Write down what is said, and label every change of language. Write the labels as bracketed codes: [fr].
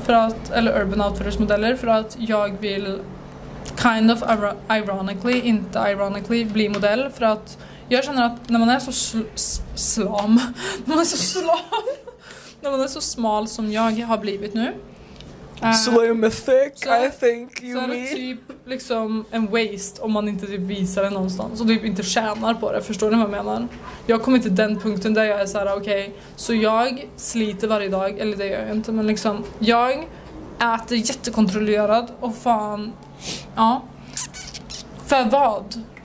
[sv] För att, eller Urban Outfitters modeller, för att jag vill [en] kind of ironically, [sv] inte ironically, bli modell. För att jag känner att när man är så slam, när man är så slam. När man är så smal som jag har blivit nu. [en] Slim thick, I think you mean. [sv] Så är det typ liksom en waste om man inte typ visar det någonstans. Så typ inte tjänar på det, förstår ni vad jag menar? Jag kommer till den punkten där jag är så här, okej. Okay, så jag sliter varje dag, eller det gör jag inte. Men liksom, jag äter jättekontrollerad och fan, ja. För vad?